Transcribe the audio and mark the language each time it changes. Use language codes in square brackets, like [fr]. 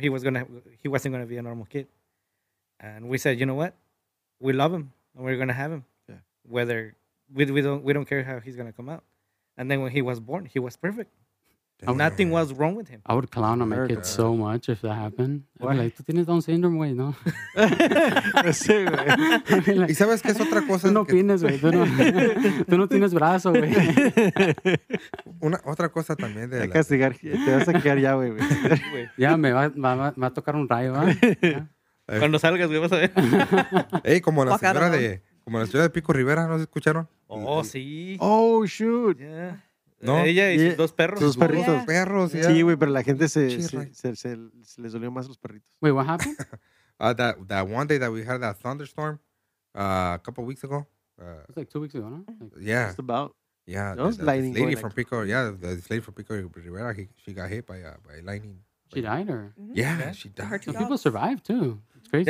[en] He wasn't going to be a normal kid. And we said, you know what? We love him and we're going to have him. Yeah. Whether we don't care how he's going to come out. And then when he was born, he was perfect. Damn. Nothing was wrong with him. I would clown on my kid so much if that happened. I'd be like, [es] tú tienes [en] Down syndrome, [es] güey, ¿no? Sí, güey. Like, ¿y sabes qué es otra cosa? Tú no opinas, güey. Tú no tienes brazo, güey. Otra cosa también. De hay que castigar. Te vas a quedar ya, güey. Ya, me va a tocar un rayo, ¿verdad? Cuando salgas, güey, vas a ver. Ey, como la señora de... Como la señora de Pico Rivera, ¿no se escucharon? Oh, sí. [en] Oh, shoot. [es] Yeah. No. Ella y sus dos perros. Sus perritos. Yeah. Perros, yeah. Sí, güey, pero la gente se les dolió más los perritos. [en] Wait, what happened? that one day that we had that thunderstorm a couple weeks ago. It was like 2 weeks ago, no? Like, yeah. Just about. Yeah. This lady from Pico Rivera, she got hit by lightning. She died, or? Yeah, mm-hmm. She died. Well, people survived, too. It's crazy.